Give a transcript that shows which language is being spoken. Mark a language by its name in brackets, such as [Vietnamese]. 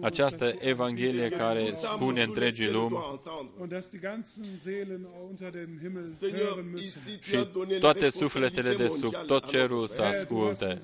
[Romanian] Această evanghelie care spune întregii lumi. [German] Und dass die ganzen Seelen unter dem Himmel hören müssen. [Romanian] Și toate sufletele de sub tot cerul să asculte.